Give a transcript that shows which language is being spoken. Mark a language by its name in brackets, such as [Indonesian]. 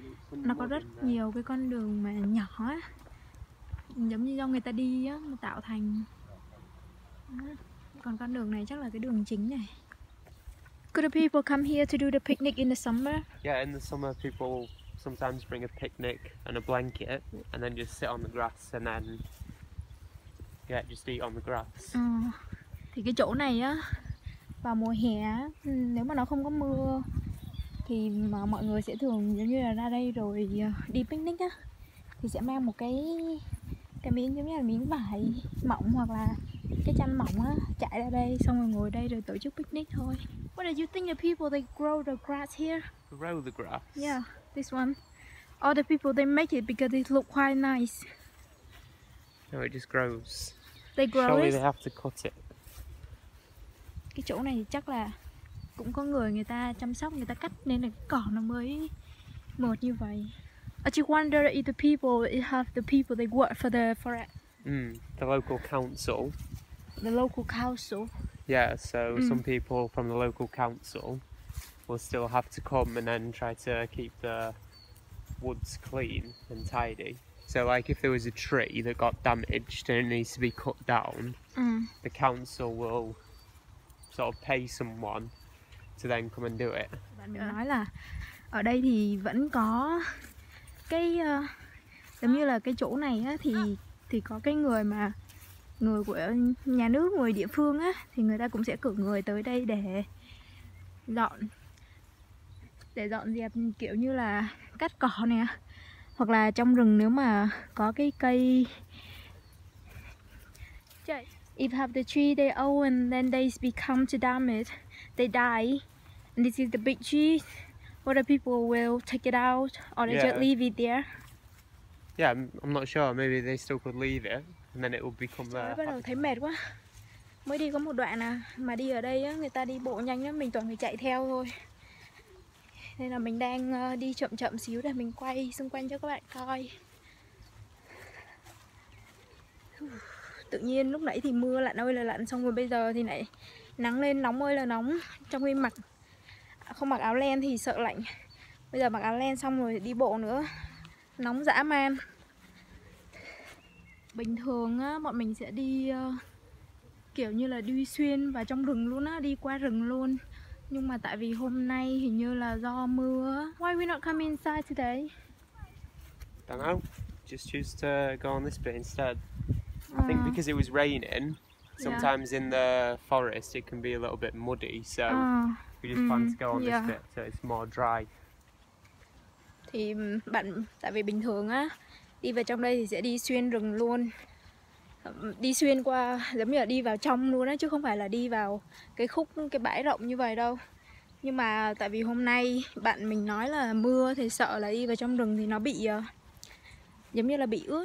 [Vietnamese] Nó có rất nhiều cái con đường mà nhỏ á, giống như do người ta đi á mà tạo thành. Còn con đường này chắc là cái đường chính này. [English] Could the people come here to do the picnic in the summer? Yeah, in the summer people sometimes bring a picnic and a blanket and then just sit on the grass and then yeah, just eat on the grass. [Vietnamese] Thì cái chỗ này á vào mùa hè nếu mà nó không có mưa thì mà mọi người sẽ thường giống như là ra đây rồi đi picnic á, thì sẽ mang một cái miếng giống như là miếng vải mỏng hoặc là cái chăn mỏng á, chạy ra đây xong rồi ngồi đây rồi tổ chức picnic thôi. [English] What do you think of people that grow the grass here? Grow the grass? Yeah, this one. All the people, they make it because it look quite nice. No, it just grows. They grow Surely it? They have to cut it. [Vietnamese] Cái chỗ này thì chắc là cũng có người ta chăm sóc, người ta cắt nên là cỏ nó mới mọc như vậy. [English] I just wonder if the people have the people they work for the forest. The local council. The local council. Yeah, so some people from the local council will still have to come and then try to keep the woods clean and tidy. So like if there was a tree that got damaged and it needs to be cut down, the council will sort of pay someone to then come and do it. [Vietnamese] Bạn mình nói là ở đây thì vẫn có cái giống như là cái chỗ này á thì có cái người mà người của nhà nước, người địa phương á, thì người ta cũng sẽ cử người tới đây để dọn dẹp kiểu như là cắt cỏ nè, hoặc là trong rừng nếu mà có cái cây. [English] If have the tree they own and then they become to damage, they die. And this is the big tree. What the people will take it out or they just leave it there? Yeah, I'm not sure. Maybe they still could leave it. And then it will become there. [Vietnamese] Bắt đầu thấy mệt quá. Mới đi có một đoạn à, mà đi ở đây á, người ta đi bộ nhanh lắm, mình toàn người chạy theo thôi. Nên là mình đang đi chậm chậm xíu để mình quay xung quanh cho các bạn coi. Tự nhiên lúc nãy thì mưa lặn ơi là lặn, xong rồi bây giờ thì lại nắng lên nóng ơi là nóng. Trong khi mặc không mặc áo len thì sợ lạnh. Bây giờ mặc áo len xong rồi đi bộ nữa, nóng dã man. Bình thường á, bọn mình sẽ đi kiểu như là đi xuyên vào trong rừng luôn á, đi qua rừng luôn. Nhưng mà tại vì hôm nay hình như là do mưa. [English] Why we not come inside today? Don't know. Just choose to go on this bit instead. I think because it was raining, sometimes in the forest it can be a little bit muddy. So we just plan to go on this bit so it's more dry. [Vietnamese] Thì bạn, tại vì bình thường á, đi vào trong đây thì sẽ đi xuyên rừng luôn. đi xuyên qua, giống như là đi vào trong luôn á, chứ không phải là đi vào cái khúc, cái bãi rộng như vậy đâu. Nhưng mà tại vì hôm nay bạn mình nói là mưa thì sợ là đi vào trong rừng thì nó bị giống như là bị ướt.